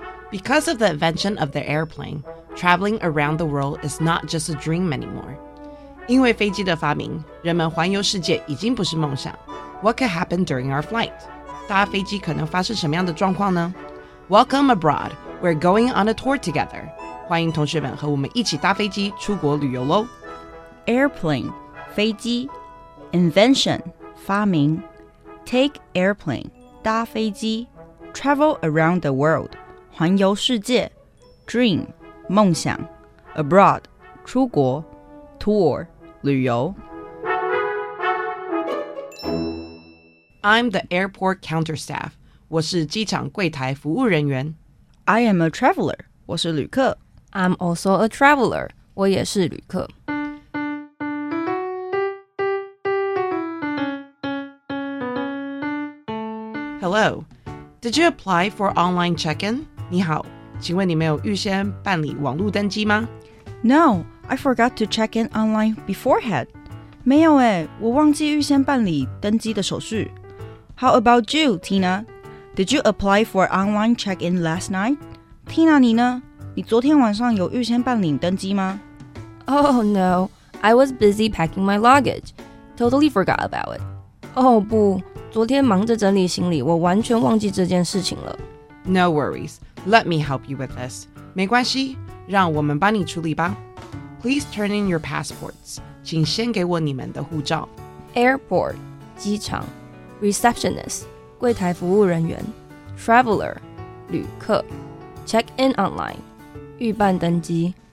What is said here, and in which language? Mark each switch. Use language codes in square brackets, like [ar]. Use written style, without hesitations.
[en] Because of the invention of the airplane, traveling around the world is not just a dream anymore. [zh] 因为飞机的发明，人们环游世界已经不是梦想。 [en] What could happen during our flight? [zh] 搭飞机可能发生什么样的状况呢？ [en] Welcome abroad. We're going on a tour together. [zh] 欢迎同学们和我们一起搭飞机出国旅游咯。 [en] Airplane, 飞机 Invention, 发明 Take airplane, 搭飞机 Travel around the world, 环游世界 Dream, 梦想 Abroad, 出国 Tour, 旅游 I'm the airport counter staff, [zh] 我是机场柜台服务人员 [en] I am a traveler, [zh] 我是旅客 [en] I'm also a traveler, [zh] 我也是旅客 [en] Hello, did you apply for online check-in? [zh] 你好，请问你没有预先办理网络登机吗？ [en] No, I forgot to check in online beforehand. [zh] 没有耶，我忘记预先办理登机的手续。 [en] How about you, Tina? Did you apply for online check-in last night? [zh] Tina, 你呢？你昨天晚上有预先办理登机吗？ [en] Oh no, I was busy packing my luggage. Totally forgot about it. Oh, [zh] 不。昨天忙着整理行李，我完全忘记这件事情了。 [en] No worries, let me help you with this. [zh] 没关系，让我们帮你处理吧。 [en] Please turn in your passports. [zh] 请先给我你们的护照。 Airport, 机场。Receptionist, 柜台服务人员。 [en] Traveler, 旅客。Check in online, 预办登机。